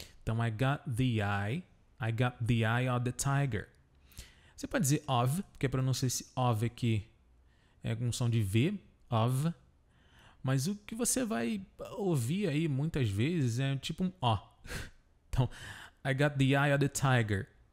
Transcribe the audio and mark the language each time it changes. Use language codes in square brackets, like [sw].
[en] Então, I got the eye. I got the eye of the tiger. [pt] Você pode dizer of, porque a pronúncia desse of aqui é com som de V. Of. Mas o que você vai ouvir aí muitas vezes é tipo um O. [en] Então, I got the eye of the tiger.